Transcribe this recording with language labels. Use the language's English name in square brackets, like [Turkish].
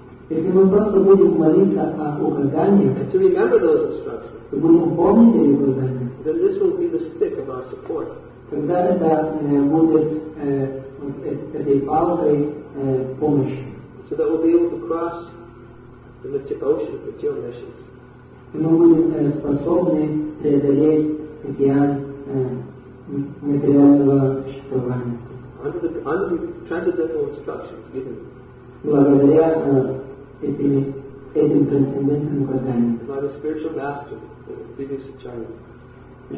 [Russian] если мы просто будем молиться о указаниях, [English] and to remember those instructions, [Russian] то будем помнить эти указания, [English] then this will be the stick of our support. [Russian] Тогда это будет этой палкой помощи. [English] So that we'll be able to cross the ocean of material missions. [Russian] И мы будем способны преодолеть океан материального существования. [English] Under the transcendental instructions given. [Russian] Благодаря этим трансцендентным указаниям. [English] By the spiritual master, the